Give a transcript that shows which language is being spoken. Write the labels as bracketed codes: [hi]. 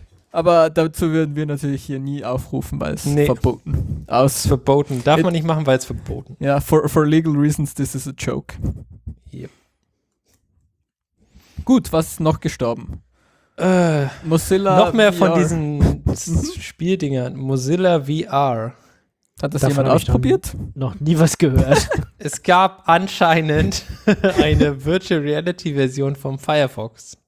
[de] Aber dazu würden wir natürlich hier nie aufrufen, weil es verboten. Aus verboten. Darf man nicht machen, weil es verboten. [en] Ja, for legal reasons, this is a joke. Yep. [de] Gut, was ist noch gestorben? Mozilla noch mehr VR. Von diesen Spieldingern. Mozilla VR. Hat das jemand ausprobiert? Noch nie was gehört. Es gab anscheinend eine Virtual Reality Version vom Firefox.